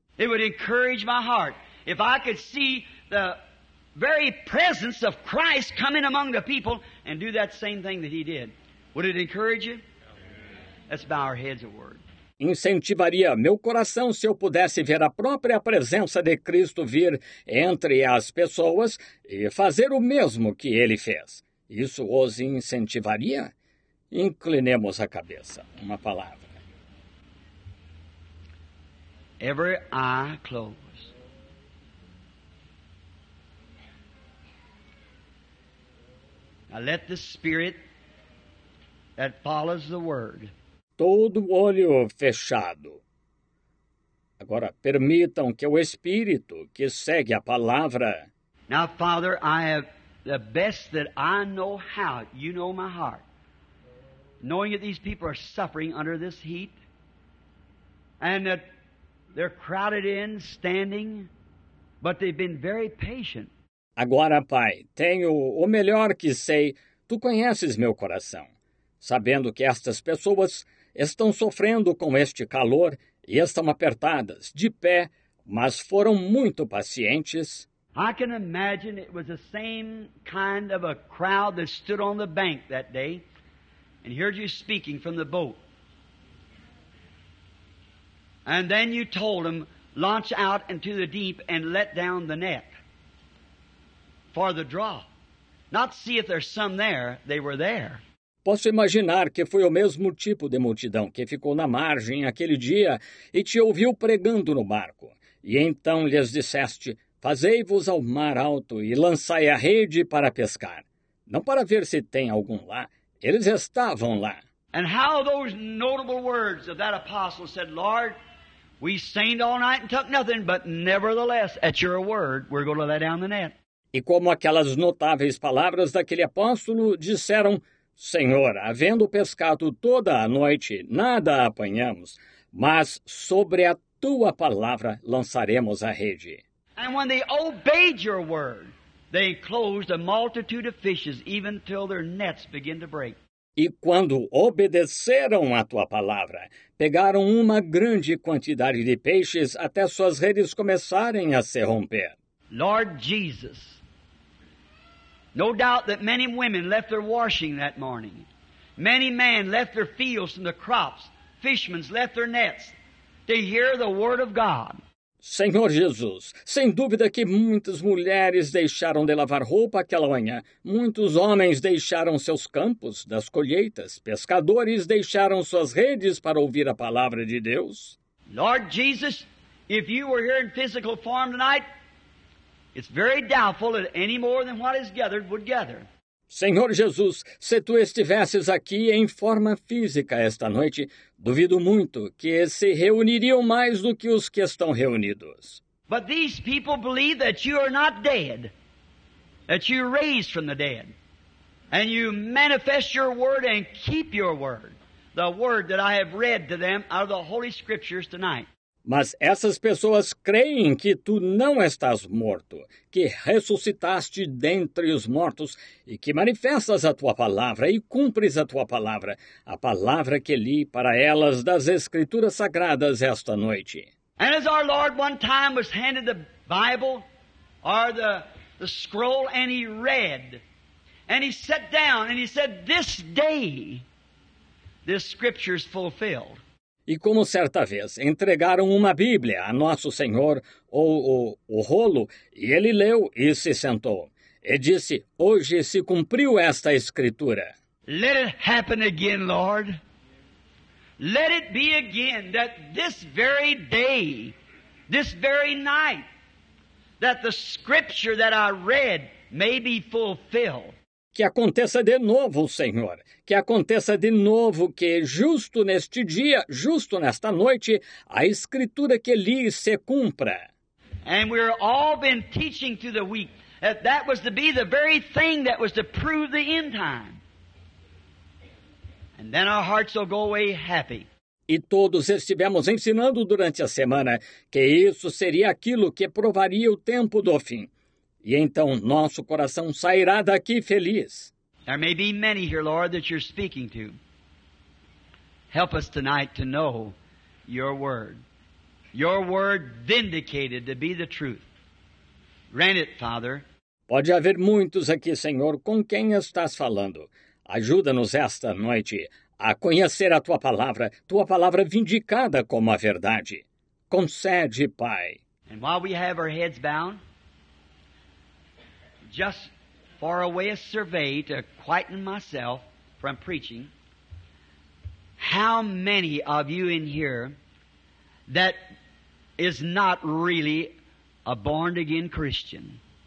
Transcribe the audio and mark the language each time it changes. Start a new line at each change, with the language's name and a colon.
English: It would encourage my heart if I could see the very presence of Christ coming among the people and do that same thing that he did. Would it encourage you? Let's bow our heads a word.
Portuguese: Incentivaria meu coração se eu pudesse ver a própria presença de Cristo vir entre as pessoas e fazer o mesmo que ele fez. Isso os incentivaria? Inclinemos a cabeça. Uma palavra.
English: Every eye closed. Now let the Spirit that follows the Word.
Portuguese: Todo olho fechado. Agora, permitam que o Espírito que segue a palavra...
English: Now, Father, I have the best that I know how. You know my heart. Knowing that these people are suffering under this heat, and that they're crowded in, standing, but they've been very patient.
Portuguese: Agora, Pai, tenho o melhor que sei. Tu conheces meu coração, sabendo que estas pessoas... estão sofrendo com este calor e estão apertadas, de pé, mas foram muito pacientes.
English: I can imagine it was the same kind of a crowd that stood on the bank that day and heard you speaking from the boat. And then you told them, launch out into the deep and let down the net for the draw. Not see if there's some there, they were there.
Portuguese: Posso imaginar que foi o mesmo tipo de multidão que ficou na margem aquele dia e te ouviu pregando no barco. E então lhes disseste, fazei-vos ao mar alto e lançai a rede para pescar. Não para ver se tem algum lá. Eles estavam lá.
English: And how those notable words of that apostle said, Lord, we seined all night and took nothing, but nevertheless, at your word, we're going to let down the net.
Portuguese: E como aquelas notáveis palavras daquele apóstolo disseram, Senhor, havendo pescado toda a noite, nada apanhamos, mas sobre a tua palavra lançaremos a rede.
English: And when they obeyed your word, they enclosed a multitude of fishes, even till their nets begin to break.
Portuguese: E quando obedeceram a tua palavra, pegaram uma grande quantidade de peixes até suas redes começarem a se romper.
English: Lord Jesus. No doubt that many women left their washing that morning. Many men left their fields and the crops. Fishmen left their nets to hear the word of God.
Portuguese: Senhor Jesus, sem dúvida que muitas mulheres deixaram de lavar roupa aquela manhã. Muitos homens deixaram seus campos das colheitas. Pescadores deixaram suas redes para ouvir a palavra de Deus.
English: Lord Jesus, if you were here in physical form tonight, it's very doubtful that any more than what is gathered would gather.
Portuguese: Senhor Jesus, se tu estivesses aqui em forma física esta noite, duvido muito que se reuniriam mais do que os que estão reunidos.
English: But these people believe that you are not dead, that you raised from the dead, and you manifest your word and keep your word, the word that I have read to them out of the Holy Scriptures tonight.
Portuguese: Mas essas pessoas creem que tu não estás morto, que ressuscitaste dentre os mortos e que manifestas a tua palavra e cumpres a tua palavra, a palavra que li para elas das Escrituras Sagradas esta noite.
English: And as our Lord one time was handed the Bible, or the scroll, and he read, and he sat down, and he said, this day this scripture is fulfilled.
Portuguese: E como certa vez entregaram uma Bíblia a Nosso Senhor, ou o rolo, e ele leu e se sentou. E disse, hoje se cumpriu esta Escritura.
English: Let it happen again, Lord. Let it be again that this very day, this very night, that the Scripture that I read may be fulfilled.
Portuguese: Que aconteça de novo, Senhor. Que aconteça de novo que, justo neste dia, justo nesta noite, a Escritura que li se cumpra.
English: And we're all been teaching through the week that that was to be the very thing that was to prove the end time. And then our hearts will go away happy.
Portuguese: E todos estivemos ensinando durante a semana que isso seria aquilo que provaria o tempo do fim. E então nosso coração sairá daqui feliz.
English: There may be many here, Lord, that you're speaking to. Help us tonight to know your word. Your word vindicated to be the truth. Grant it, Father.
Portuguese: Pode haver muitos aqui, Senhor, com quem estás falando. Ajuda-nos esta noite a conhecer a tua palavra vindicada como a verdade. Concede, Pai.
English: And while we have our heads bowed, just for a way of survey to quieten myself from preaching, how many of you in here that is not really a born-again Christian?